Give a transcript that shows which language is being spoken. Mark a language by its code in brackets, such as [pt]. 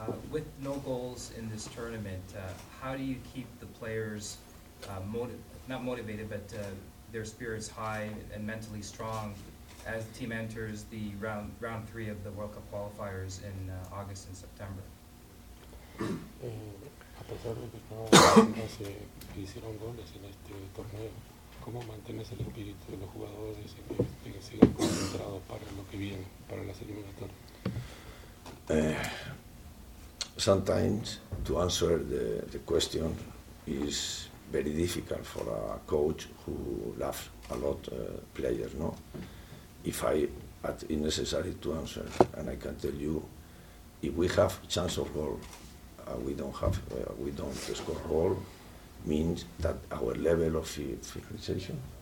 [en] With no goals in this tournament, how do you keep the players not motivated, but their spirits high and mentally strong as the team enters the round three of the World Cup qualifiers in August and September. [es] A pesar de que no se hicieron goles en este torneo, ¿cómo mantienes el espíritu de los jugadores y que sigan concentrados para lo que viene, para las eliminatorias? [en] Sometimes to answer the question is very difficult for a coach who loves a lot players, no? If I, but it's necessary to answer, and I can tell you, if we have chance of goal, we don't have, we don't score goal, means that our level of finalization,